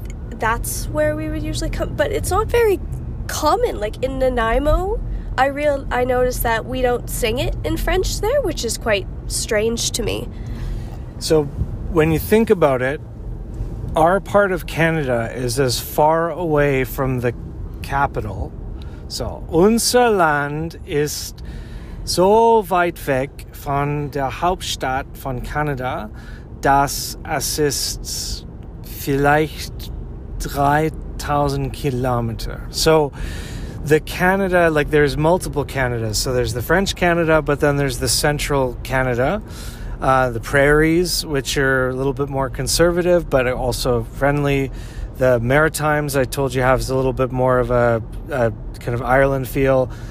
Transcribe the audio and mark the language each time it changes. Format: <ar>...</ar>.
<en>That's where we would usually come. But it's not very common, like in Nanaimo. I noticed that we don't sing it in French there, which is quite strange to me. So when you think about it, our part of Canada is as far away from the capital.</en> <de>So unser Land ist so weit weg von der Hauptstadt von Kanada, dass es ist vielleicht 3,000 Kilometer.</de> <en>So the Canada, like, there's multiple Canadas. So there's the French Canada, but then there's the Central Canada, the prairies, which are a little bit more conservative, but also friendly. The Maritimes, I told you, have a little bit more of a kind of Ireland feel.</en>